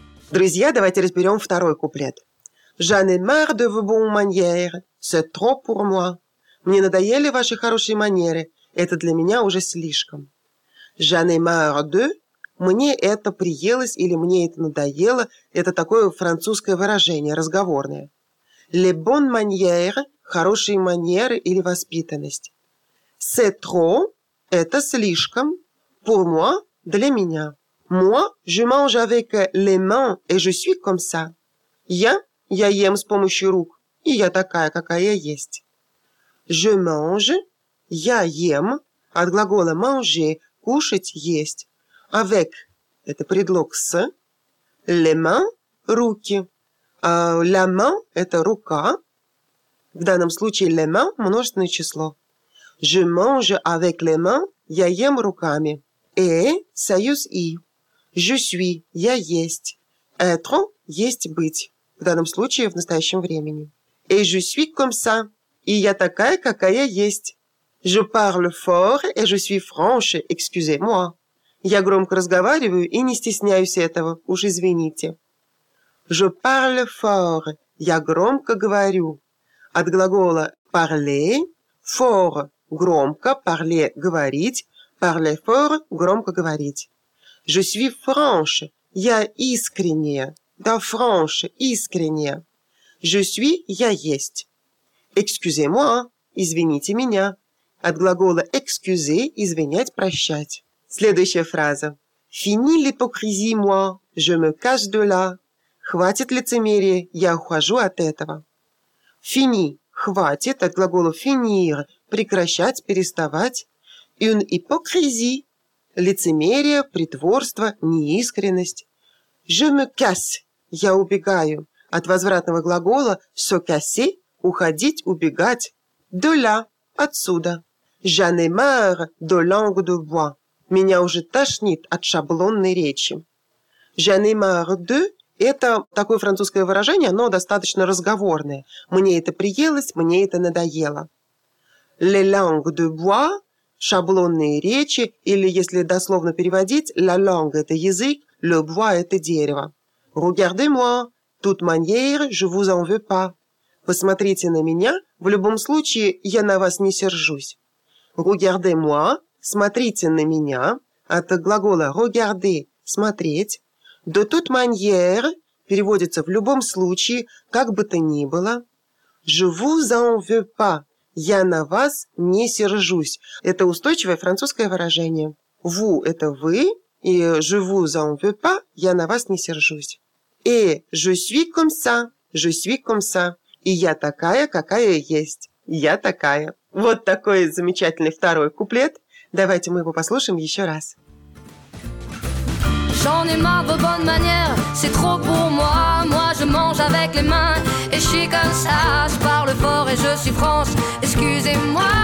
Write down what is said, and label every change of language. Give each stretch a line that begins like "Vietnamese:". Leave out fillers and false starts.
Russian: Друзья, давайте разберем второй куплет.
French: J'en ai marre de vos bonnes manières. C'est trop pour moi.
Russian: Мне надоели ваши хорошие манеры. Это для меня уже слишком.
French: J'en ai marre de.
Russian: Мне это приелось или мне это надоело. Это такое французское выражение, разговорное.
French: Les bonnes manières.
Russian: Хорошие манеры или воспитанность.
French: C'est trop.
Russian: Это слишком.
French: Pour moi.
Russian: Для меня.
French: Moi, je mange avec les mains et je suis comme ça.
Russian: Я ем с помощью рук, и я такая, какая есть.
French: Je mange,
Russian: я ем, от глагола manger, кушать, есть. Avec, это предлог с.
French: Les mains,
Russian: руки. La main, это рука. В данном случае les mains, множественное число.
French: Je mange avec les mains,
Russian: я ем руками. Et, союз и.
French: Je suis,
Russian: я есть. Être, есть быть. В данном случае, в настоящем времени.
French: Et je suis comme ça.
Russian: И я такая, какая есть.
French: Je parle fort et je suis franche. Excusez-moi.
Russian: Я громко разговариваю и не стесняюсь этого. Уж извините.
French: Je parle fort.
Russian: Я громко говорю. От глагола parler.
French: Fort.
Russian: Громко.
French: Parler.
Russian: Говорить.
French: Parler fort.
Russian: Громко говорить.
French: Je suis franche.
Russian: Я искренняя. Да, franche, искренняя.
French: Je suis,
Russian: я есть.
French: Excusez-moi,
Russian: извините меня. От глагола excuser, извинять, прощать. Следующая фраза.
French: Fini l'hypocrisie, moi. Je me cache de là.
Russian: Хватит лицемерия, я ухожу от этого. Fini, хватит, от глагола finir, прекращать, переставать.
French: Une hypocrisie.
Russian: Лицемерие, притворство, неискренность.
French: Je me casse.
Russian: Я убегаю. От возвратного глагола se casser, уходить, убегать.
French: De là.
Russian: Отсюда.
French: J'en ai marre de langue de bois.
Russian: Меня уже тошнит от шаблонной речи.
French: J'en ai marre de.
Russian: Это такое французское выражение, но достаточно разговорное. Мне это приелось, мне это надоело.
French: Les langues de bois.
Russian: Шаблонные речи, или если дословно переводить,
French: la langue
Russian: – это язык,
French: le bois
Russian: – это дерево.
French: Regardez-moi, toute manière, je vous en veux pas.
Russian: Посмотрите на меня, в любом случае, я на вас не сержусь.
French: Regardez-moi,
Russian: смотрите на меня, от глагола regarder – смотреть.
French: De toute manière,
Russian: переводится в любом случае, как бы то ни было.
French: Je vous en veux pas.
Russian: «Я на вас не сержусь». Это устойчивое французское выражение. «Vous» – это «вы», и
French: «je vous en veux pas»
Russian: – «я на вас не сержусь».
French: «Et je suis comme ça», «je suis comme ça»,
Russian: «и я такая, какая есть», «я такая». Вот такой замечательный второй куплет. Давайте мы его послушаем еще раз.
French: J'en ai marre de bonnes manières, c'est trop pour moi. Moi je mange avec les mains et je suis comme ça. Je parle fort et je suis franche, excusez-moi.